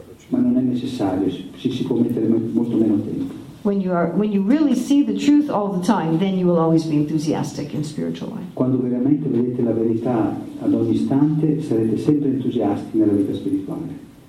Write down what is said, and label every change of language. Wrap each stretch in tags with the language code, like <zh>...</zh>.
<it>Ma non è necessario, si può mettere molto meno tempo.</it> <en>When you really see the truth all the time, then you will always be enthusiastic in spiritual life.</en> <it>Quando veramente vedete la verità ad ogni istante, sarete sempre entusiasti nella vita spirituale.</it>